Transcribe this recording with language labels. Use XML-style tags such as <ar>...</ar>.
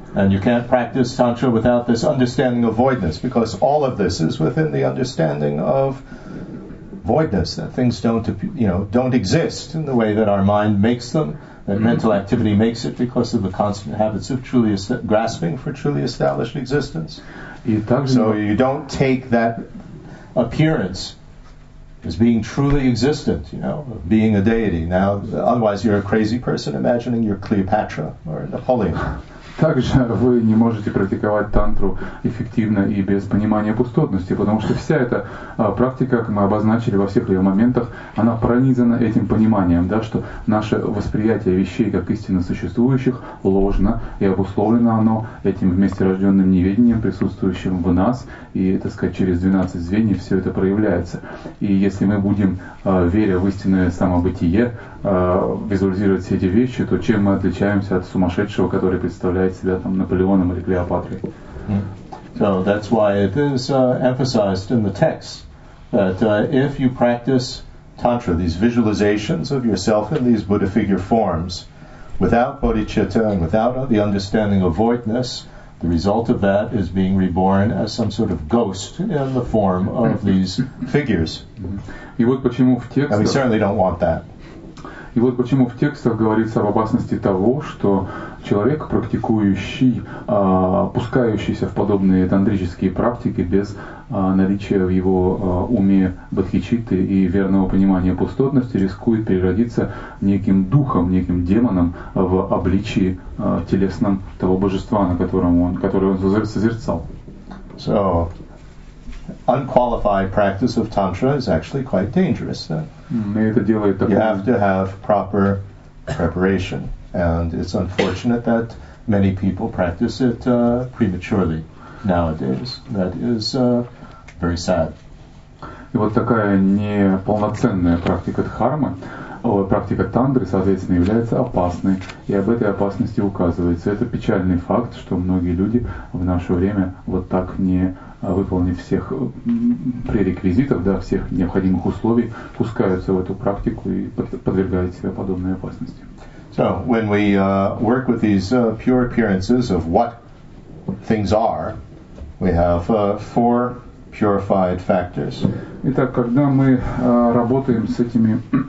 <en>And you can't practice tantra without this understanding of voidness, because all of this is within the understanding of voidness, that things don't, you know, don't exist in the way that our mind makes them. That mental activity makes it because of the constant habits of truly grasping for truly established existence. So you don't take that appearance as being truly existent, you know, being a deity. Now, otherwise you're a crazy person imagining you're Cleopatra or Napoleon.</en> <ru>Также вы не можете практиковать тантру эффективно и без понимания пустотности, потому что вся эта практика, как мы обозначили во всех ее моментах, она пронизана этим пониманием, да, что наше восприятие вещей как истинно существующих ложно, и обусловлено оно этим вместе рожденным неведением, присутствующим в нас, и, так сказать, через 12 звеньев все это проявляется. И если мы будем, веря в истинное самобытие, визуализировать все эти вещи, то чем мы отличаемся от сумасшедшего, который представляет себя там Наполеоном или Клеопатрой?</ru> <en>So that's why it is emphasized in the text that if you practice tantra, these visualizations of yourself in these Buddha figure forms, without bodhicitta and without the understanding of voidness, the result of that is being reborn as some sort of ghost in the form of these figures.</en> <ru>И вот почему в текстах.</ru> <en>And we certainly don't want that.</en> <ru>И вот почему в текстах говорится об опасности того, что человек, практикующий, пускающийся в подобные тантрические практики без наличия в его уме бодхичитты и верного понимания пустотности, рискует переродиться неким духом, неким демоном в обличии телесном того божества, на котором он, который он созерцал.</ru> <en>So, unqualified practice of tantra is actually quite dangerous. You have to have proper preparation, and it's unfortunate that many people practice it prematurely nowadays. That is very sad.</en> <ru>И вот такая неполноценная практика дхармы, практика тантры, соответственно, является опасной, и об этой опасности указывается. Это печальный факт, что многие люди в наше время вот так не выполнив всех пререквизитов, да, всех необходимых условий, пускаются в эту практику и подвергают себя подобной опасности.</ru> <en>So, when we work with these pure appearances of what things are, we have four purified factors.</en> <ru>Итак, когда мы работаем с этими...</ru>